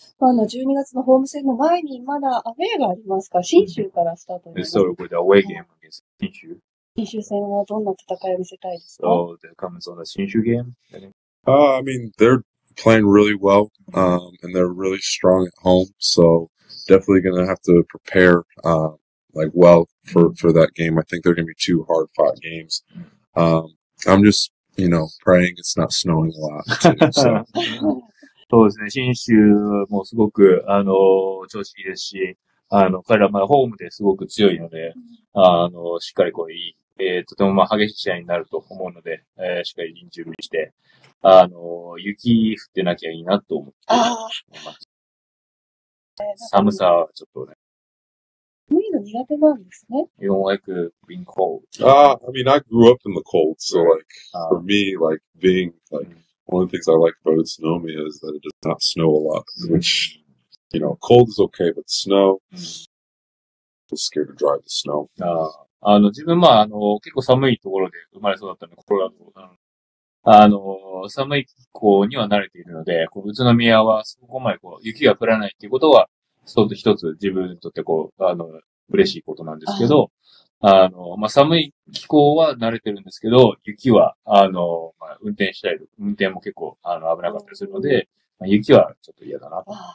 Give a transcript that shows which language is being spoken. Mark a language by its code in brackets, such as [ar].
[ja] 12月のホーム戦の前にまだアウェーがありますか？新州からスタートになります。そう、これでアウェーゲームです。新州。新州戦はどんな戦いを見せたいですか？そう、で、カムズの新州ゲーム。 [en] I mean, they're playing really well, and they're really strong at home, so definitely gonna have to prepare, like well for that game. I think they're gonna be two hard fought games. I'm justYou know, praying it's not snowing a lot. [ja] そうですね。新州もすごく、調子いいですし、彼らはホームですごく強いので、しっかりこう、いい、とてもまあ激しい試合になると思うので、しっかり臨時準備して、雪降ってなきゃいいなと思っています。寒さはちょっとね。寒いの苦手なんですね。 [en] You don't like being cold. I mean, I grew up in the cold, so like, for me, like, being, like, one of the things I like about Utsunomiya is that it does not snow a lot, which, you know, cold is okay, but snow, I'm scared to drive the snow. [ja] 自分、まあ、結構寒いところで生まれ育ったので、コロラド。寒い気候には慣れているので、こう宇都宮はそこまでこう雪が降らないっていうことは、一つ自分にとってこう、嬉しいことなんですけど、まあ、寒い気候は慣れてるんですけど、雪は、まあ、運転したり、運転も結構、危なかったりするので、まあ、雪はちょっと嫌だなと。